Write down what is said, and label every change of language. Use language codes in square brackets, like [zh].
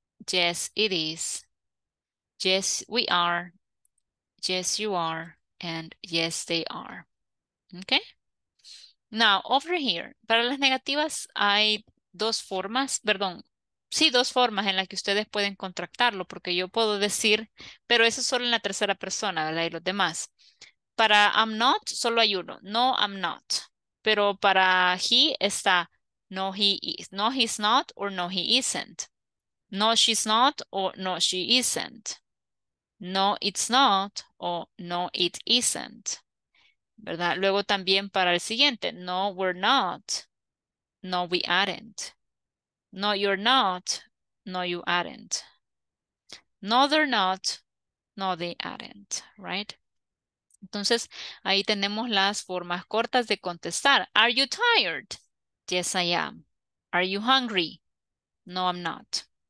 [en] Yes, it is. Yes, we are. Yes, you are. And yes, they are. ¿Okay? Now, over here, [es] para las negativas hay dos formas, perdón, sí, dos formas en las que ustedes pueden contractarlo, porque yo puedo decir, pero eso es solo en la tercera persona, ¿verdad? Y los demás. Para [en] I'm not, [es] solo hay uno, [en] no, I'm not. [es] Pero para [en] he [es] está, [en] no, he is, no, he's not, or no, he isn't. No, she's not, or no, she isn't. No, it's not, or no, it isn't. ¿Verdad? [es] Luego también para el siguiente, [en] no, we're not, no, we aren't, no, you're not, no, you aren't, no, they're not, no, they aren't, right? [es] Entonces, ahí tenemos las formas cortas de contestar. [en] Are you tired? Yes, I am. Are you hungry? No, I'm not.